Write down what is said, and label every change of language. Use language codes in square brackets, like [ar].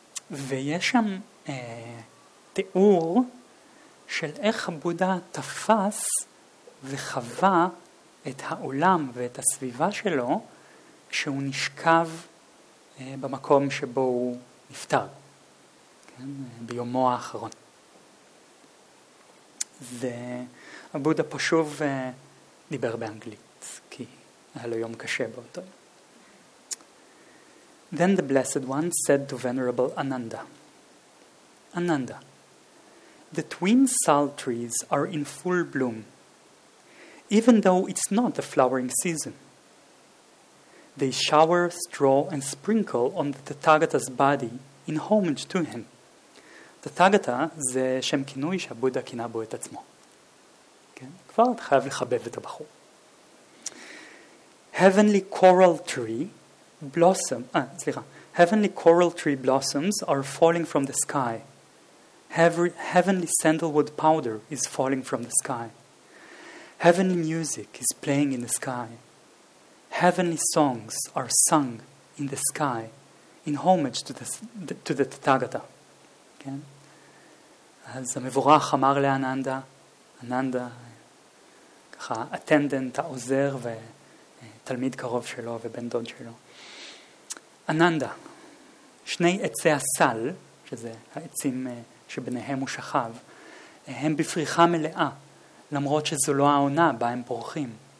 [he] ויש שם תיאור של איך הבודה תפס וחווה את העולם ואת הסביבה שלו, כשהוא נשכב במקום שבו הוא נפטר, כן? ביומו האחרון. והבודה פה שוב דיבר באנגלית, כי היה לו יום קשה באותו. [en] Then the Blessed One said to Venerable Ananda, Ananda, the twin sal trees are in full bloom, even though it's not the flowering season. They shower, straw, and sprinkle on the Tathagata's body in homage to him. [he] תתגתה זה שם כינוי שהבודה כינה בו את עצמו. כן? כבר אתה חייב לחבב את הבחור. [en] Heavenly coral tree blossoms, heavenly coral tree blossoms are falling from the sky. Heavenly sandalwood powder is falling from the sky. Heavenly music is playing in the sky. Heavenly songs are sung in the sky in homage to the תתגתה. [he] כן? אז המבורך אמר לאננדה, אננדה, ככה, אטנדנט, העוזר ותלמיד קרוב שלו ובן דוד שלו. אננדה, שני עצי הסל, שזה העצים שביניהם הוא שכב, הם בפריחה מלאה, למרות שזו לא העונה בה הם פורחים.